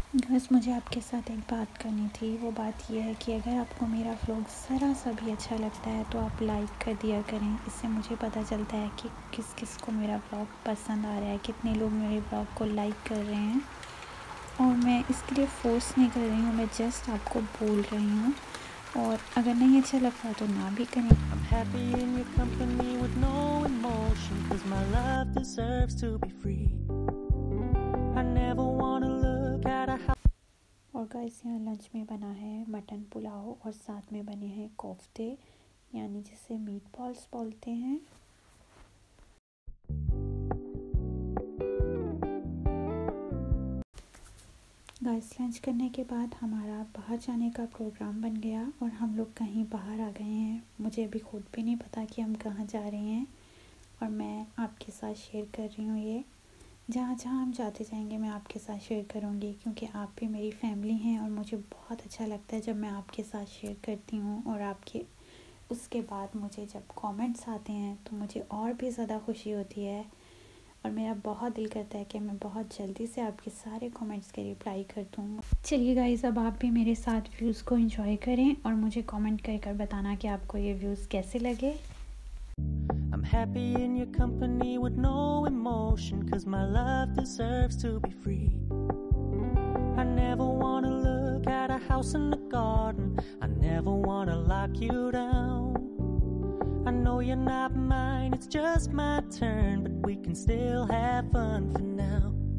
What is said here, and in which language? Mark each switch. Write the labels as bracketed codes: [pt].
[hi] बस मुझे आपके साथ एक बात करनी थी, वो बात ये है कि अगर आपको मेरा व्लॉग ज़रा सा भी अच्छा लगता है तो आप लाइक कर दिया करें। इससे मुझे पता चलता है कि किस किस को मेरा व्लॉग पसंद आ रहा है, कितने लोग मेरे व्लॉग को लाइक कर रहे हैं। और मैं इसके लिए फोर्स नहीं कर रही हूँ, मैं जस्ट आपको बोल रही हूँ, और अगर नहीं अच्छा लगता तो ना भी करें। [en] I'm happy in your company with no emotion, 'cause my love deserves to be free. I never wanna look at a house. [hi] और गाइस, यहाँ लंच में बना है मटन पुलाव और साथ में बने हैं कोफ्ते, यानी जिसे मीट बॉल्स बोलते हैं। गाइस, लंच करने के बाद हमारा बाहर जाने का प्रोग्राम बन गया और हम लोग कहीं बाहर आ गए हैं। मुझे अभी खुद भी नहीं पता कि हम कहाँ जा रहे हैं, और मैं आपके साथ शेयर कर रही हूँ ये। जहाँ जहाँ हम जाते जाएंगे मैं आपके साथ शेयर करूँगी, क्योंकि आप भी मेरी फैमिली हैं और मुझे बहुत अच्छा लगता है जब मैं आपके साथ शेयर करती हूँ। और आपके उसके बाद मुझे जब कॉमेंट्स आते हैं तो मुझे और भी ज़्यादा खुशी होती है, और मेरा बहुत दिल करता है कि मैं बहुत जल्दी से आपके सारे कमेंट्स के रिप्लाई कर दूँ। चलिए गाइस, अब आप भी मेरे साथ व्यूज़ को एंजॉय करें और मुझे कमेंट कर बताना कि आपको ये व्यूज़ कैसे लगे। [en] I'm happy in your company with no emotion, 'cause my love deserves to be free. I never wanna look at a house in the garden. I never wanna lock you down. I know you're not mine, it's just my turn, but we can still have fun for now.